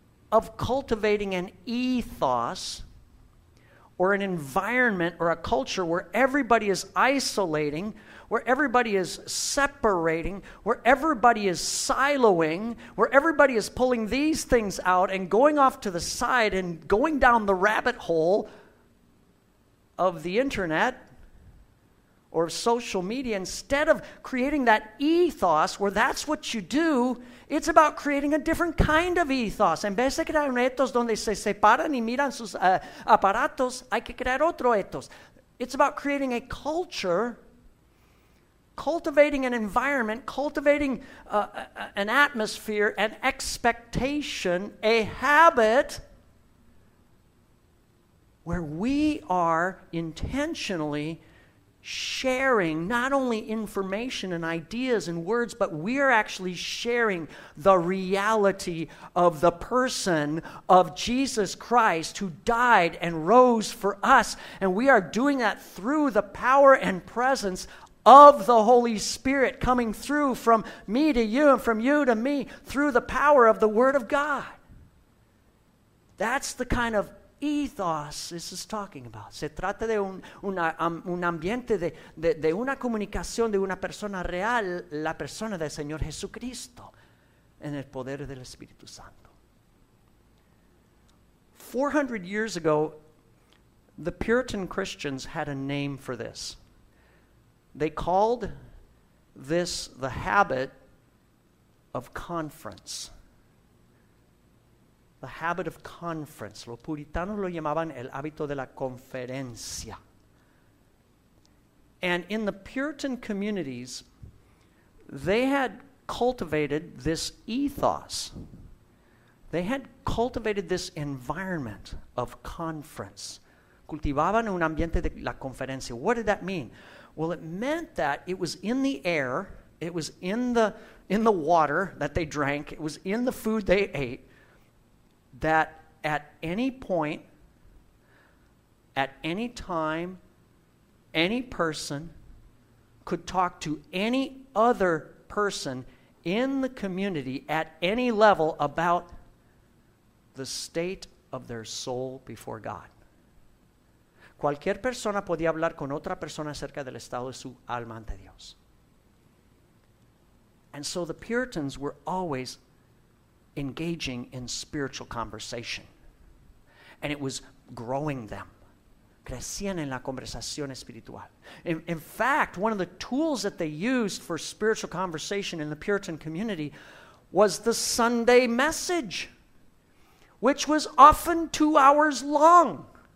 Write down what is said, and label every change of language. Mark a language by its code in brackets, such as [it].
[en] of cultivating an ethos or an environment or a culture where everybody is isolating, where everybody is separating, where everybody is siloing, where everybody is pulling these things out and going off to the side and going down the rabbit hole of the internet or social media, instead of creating that ethos where that's what you do, it's about creating a different kind of ethos. [es] En vez de crear un ethos donde se separan y miran sus aparatos, hay que crear otro ethos. [en] It's about creating a culture, cultivating an environment, cultivating an atmosphere, an expectation, a habit, where we are intentionally sharing not only information and ideas and words, but we are actually sharing the reality of the person of Jesus Christ who died and rose for us. And we are doing that through the power and presence of the Holy Spirit coming through from me to you and from you to me through the power of the Word of God. That's the kind of ethos this is talking about. [es] Se trata de un ambiente de una comunicación de una persona real, la persona del Señor Jesucristo, en el poder del Espíritu Santo. [en] 400 years ago, the Puritan Christians had a name for this. They called this the habit of conference. The habit of conference. [es] Los puritanos lo llamaban el hábito de la conferencia. [en] And in the Puritan communities, they had cultivated this ethos. They had cultivated this environment of conference. [es] Cultivaban un ambiente de la conferencia. [en] What did that mean? Well, it meant that it was in the air, it was in the water that they drank, it was in the food they ate, that at any point, at any time, any person could talk to any other person in the community at any level about the state of their soul before God. [es] Cualquier persona podía hablar con otra persona acerca del estado de su alma ante Dios. [en] And so the Puritans were always engaging in spiritual conversation. And it was growing them. [es] Crecían en la conversación espiritual. [en] In fact, one of the tools that they used for spiritual conversation in the Puritan community was the Sunday message, which was often 2 hours long.